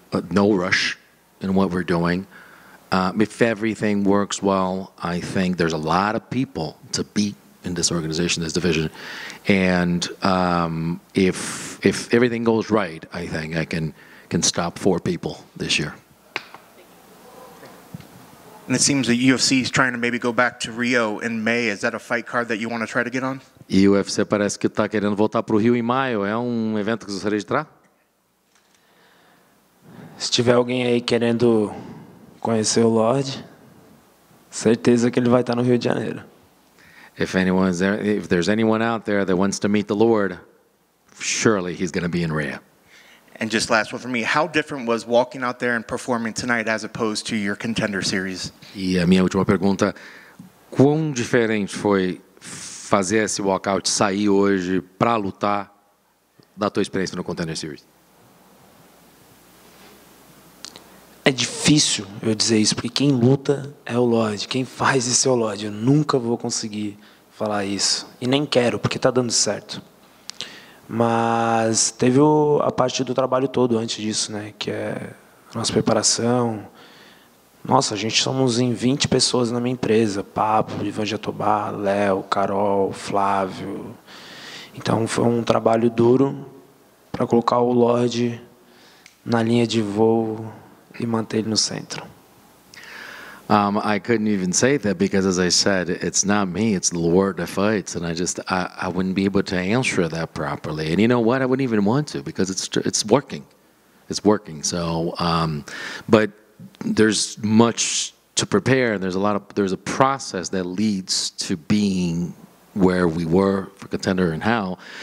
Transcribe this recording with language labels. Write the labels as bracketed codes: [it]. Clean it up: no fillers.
[en] No rush in what we're doing. If everything works well, I think there's a lot of people to beat in this organization, this division. And if everything goes right, I think I can stop 4 people this year. And it seems that UFC is trying to maybe go back to Rio in May. Is that a fight card that you want to try to get on? [pt] E o UFC parece que está querendo voltar para o Rio em maio. É evento que você gostaria de entrar? Se tiver alguém aí querendo conhecer o Lorde, certeza que ele vai estar no Rio de Janeiro. [en] If there's anyone out there that wants to meet the Lord, surely he's going to be in Rio. And just last one for me, how different was walking out there and performing tonight as opposed to your contender series? [pt] E a minha última pergunta, quão diferente foi fazer esse walkout, sair hoje para lutar, da tua experiência no contender series? É difícil eu dizer isso, porque quem luta é o Lorde, quem faz isso é o Lorde. Eu nunca vou conseguir falar isso, e nem quero, porque está dando certo. Mas teve a parte do trabalho todo antes disso, né? Que é a nossa preparação. Nossa, a gente somos em 20 pessoas na minha empresa. Pablo, Ivan Jatobá, Léo, Carol, Flávio. Então foi um trabalho duro para colocar o Lorde na linha de voo e manter ele no centro. [en] I couldn't even say that because, as I said, it's not me, it's the Lord that fights, and I wouldn't be able to answer that properly. And you know what? I wouldn't even want to, because it's working. It's working. So, but there's much to prepare, and there's a process that leads to being where we were for Contender and how.